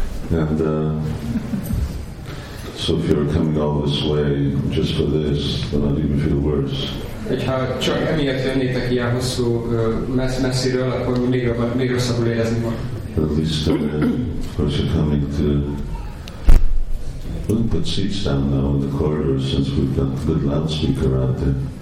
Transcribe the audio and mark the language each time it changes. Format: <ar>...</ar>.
<en>And so if you're coming all this way just for this, then I'd even feel worse.</en> <hu>Ha csak emiatt jönnétek ilyen hosszú messziről, akkor még rosszabbul érezni magam.</hu> <en>At least, of course, you're coming to. We can put seats down now in the corridor since we've got a good loudspeaker out there.</en>